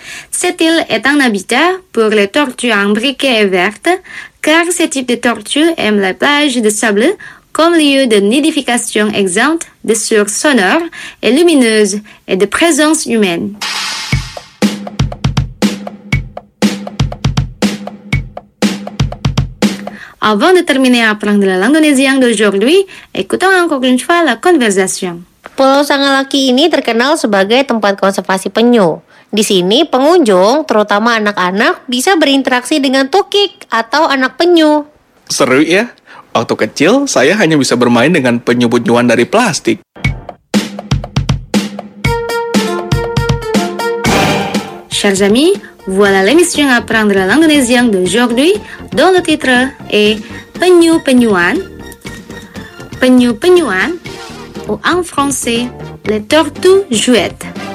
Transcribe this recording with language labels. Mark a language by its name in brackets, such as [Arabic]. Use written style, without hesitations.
[French] Cette île est un habitat pour les tortues imbriquées et vertes car ce type de tortue aime la plage de sable comme lieu de nidification exempte de sources sonores et lumineuses et de présence humaine. Avant de terminer à apprendre l'indonésien d'aujourd'hui, écoutons encore une fois la conversation. [Indonesian] Pulau Sangalaki ini terkenal sebagai tempat konservasi penyu. Di sini, pengunjung, terutama anak-anak, bisa berinteraksi dengan tukik atau anak penyu. Seru ya. Waktu kecil, saya hanya bisa bermain dengan penyu-penyuan dari plastik. [French] Chers amis, voilà l'émission Apprendre la langue indonésienne d'aujourd'hui, dont le titre est Penyu-penyuan. Penyu-penyuan, ou en français, les tortues jouettes.